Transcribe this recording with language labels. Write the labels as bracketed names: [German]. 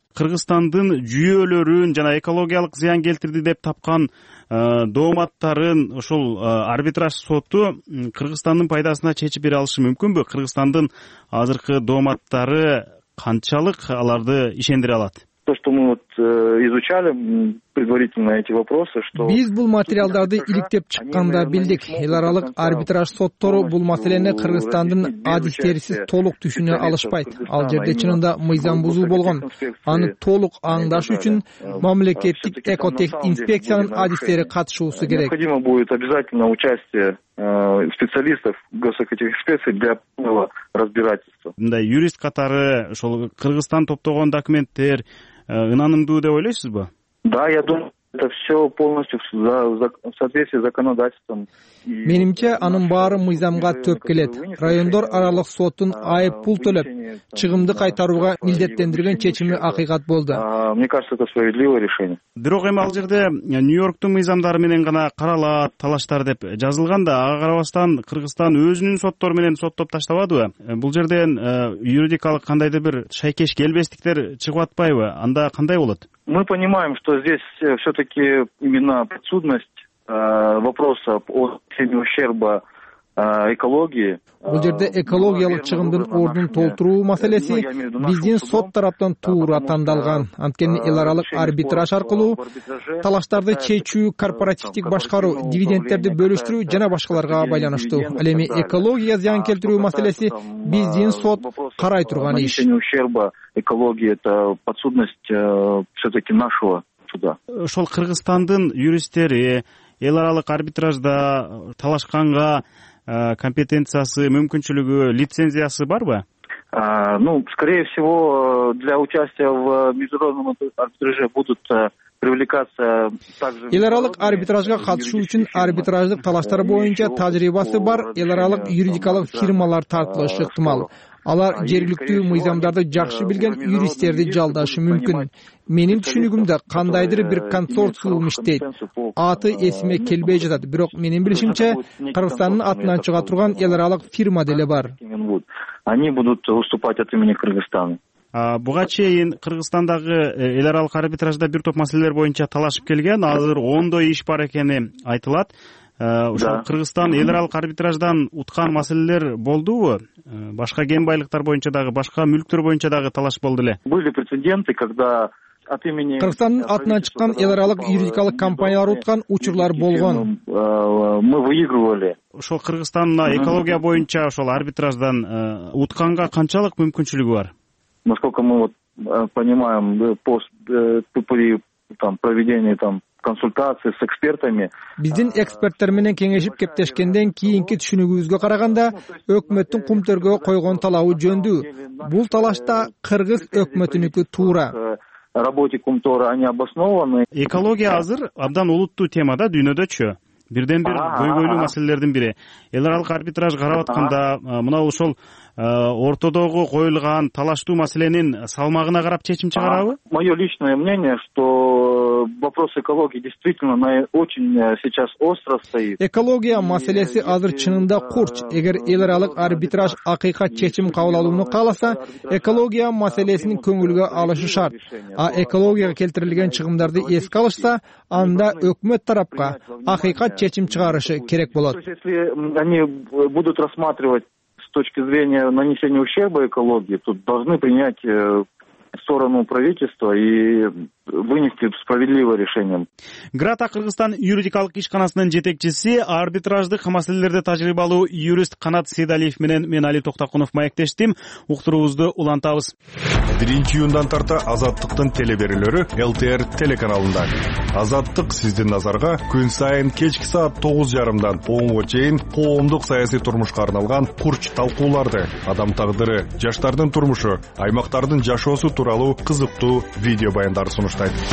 [Kyrgyz] Кыргызстандын жүйөлөрүн жана экологиялык зыян келтирди деп тапкан дооматтарын ошол арбитраж соту Кыргызстандын пайдасына чечип бере алышы мүмкүнбү? Кыргызстандын азыркы дооматтары канчалык аларды ишендире алат? [Russian] То, что мы вот изучали предварительно эти вопросы, что [Kyrgyz] биз бул материалдарды иликтеп чыкканда билдик. Эл аралык арбитраж соттору бул маселени Кыргызстандын адистерисиз толук түшүнө алышпайт. Ал жерде чынында мыйзам бузуу болгон. Аны толук аңдаш үчүн мамлекеттик экотех инспекциянын адистери катышуусу керек. [Russian] Необходимо будет обязательно участие специалистов госэкотех инспекции для разбирательства. [Kyrgyz] Мындай юрист катары ошол Кыргызстан топтогон документтер ынанымдуу деп ойлойсузбу? [Russian] Да, я думаю, это все полностью в соответствии с законодательством. [Kyrgyz] Менимче анын баары мыйзамга төп келет. Райондор аралык соттун айып пул төлөп, чыгымды кайтарууга милдеттендирген чечими акыйкат болду. [Russian] Мне кажется, это справедливое решение. [Kyrgyz] Бирок эми ал жерде Нью-Йорктун мыйзамдары менен гана каралат, талаштар деп жазылган да, ага карабастан Кыргызстан өзүнүн соттору менен соттоп таштабадыбы? Бул жерден юридикалык кандайдыр бир шайкеш келбестиктер чыгып атпайбы? Анда кандай болот? [Russian] Мы понимаем, что здесь все-таки именно подсудность вопроса о степени ущерба экологии. [Kyrgyz] Бул жерде экологиялык чыгымдын ордун толтуруу маселеси биздин сот тараптан туура тандалган. Анткени эл аралык арбитраж аркылуу талаштарды чечүү, корпоративдик башкаруу, дивидендтерди бөлүштүрүү жана башкаларга байланыштуу. Ал эми экологияга зыян келтирүү маселеси биздин сот карай турган иш. [Russian] Ущерба экологии это подсудность все-таки нашего суда. [Kyrgyz] Ошол Кыргызстандын юристтери эл аралык арбитражда талашканга компетенциясы, мүмкүнчүлүгү, лицензиясы барбы? [Russian] Ну, скорее всего, для участия в международном арбитраже будут [Kyrgyz] эл аралык арбитражга катышуу үчүн арбитраждык талаштар боюнча тажрыйбасы бар эл аралык юридикалык фирмалар тартылышы ыктымал. Алар жергиликтүү мыйзамдарды жакшы билген юристтерди жалдашы мүмкүн. Менин түшүнүгүмдө кандайдыр бир консорциум иштейт. Аты эсиме келбей жатат, бирок менин билишимче Кыргызстандын атынан чыга турган эл аралык фирма деле бар. [Russian] Они будут выступать от имени Кыргызстана. [Kyrgyz] Буга чейин Кыргызстандагы эл аралык арбитражда бир топ маселелер боюнча талашып келген, азыр ондой иш бар экени айтылат. Ошол Кыргызстан эл аралык арбитраждан уткан маселелер болдубу? Башка кен байлыктар боюнча дагы, башка мүлктөр боюнча дагы талаш болду эле. [Russian] Были прецеденты, когда от имени [Kyrgyz] Кыргызстандын атынан чыккан эл аралык юридикалык компаниялар уткан учурлар болгон. [Russian] Мы выигрывали. [Kyrgyz] Ошол Кыргызстандын экология боюнча ошол арбитраждан утканга канчалык мүмкүнчүлүгү бар? [Russian] Насколько мы вот понимаем, по проведению там консультация с экспертами. [Kyrgyz] Биздин эксперттер менен кеңешип кептешкенден кийинки түшүнүгүбүзгө караганда, өкмөттүн кумтөргө койгон талабы жөндүү. Бул талашта кыргыз өкмөтүнүкү туура. [Russian] Работе кумтора они обоснованы. [Kyrgyz] Экология азыр абдан улуттуу тема да дүйнөдөчү. Бирден бир көйгөйлүү маселелердин бири. Эл аралык арбитраж карап атканда, мына ушул ортодогу коюлган талаштуу маселенин салмагына карап чечим чыгарабы? [Russian] Моё личное мнение, что вопрос экологии действительно на очень сейчас остро стоит. [Kyrgyz] Экология маселеси азыр чынында курч. Эгер эл аралык арбитраж акыйкат чечим кабылдоону кааласа, экология маселесинин көңүлгө алышы шарт. А экологияга келтирилген чыгымдарды эске алышса, анда өкмөт тарапка акыйкат чечим чыгарышы керек болот. [Russian] Если они будут рассматривать с точки зрения нанесения ущерба экологии, тут должны принять сторону правительства и вынести справедливое решение. [Kyrgyz] Грата Кыргызстан юридикалык ишканасынын жетекчиси, арбитраждык маселелерде тажрыйбалуу юрист Канат Сейдалиев менен мен Али Токтокунов маектештим. Уктуруубузду улантабыз. 1 июндан тарта Азаттыктын телеберилери ЛТР телеканалында. Азаттык сиздин назарга күн сайын кечки саат 9:30 10:00 чейин коомдук саясий турмушка арналган курч талкууларды, адам тагдыры, жаштардын турмушу, аймактардын жашоосу тууралуу кызыктуу видео баяндар сунуштайт.